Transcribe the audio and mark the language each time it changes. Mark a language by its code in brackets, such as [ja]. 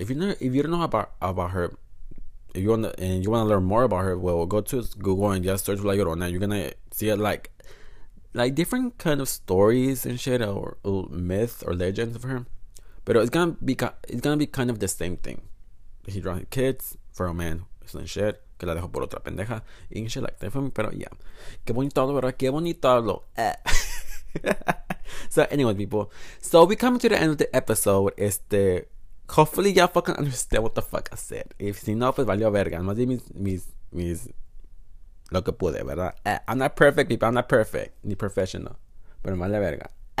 [en] If you know, if you don't know about her, if you want, and you want to learn more about her, well, go to Google and just search La Llorona. You're gonna see it, like different kind of stories and shit, or myths or legends of her. But it's gonna be kind of the same thing. He drowned his kids for a man, and shit. [es] Que la dejó por otra pendeja, [en] and shit like that. For me, [es] pero yeah, qué bonito hablo, verdad? Qué bonito hablo. [en] So anyway, people, so we come to the end of the episode. Este, hopefully y'all fucking understand what the fuck I said. [es] If si no, pues valió verga. Más bien mis lo que pude, ¿verdad? [en] I'm not perfect, people. I'm not perfect, [es] ni professional, pero vale verga.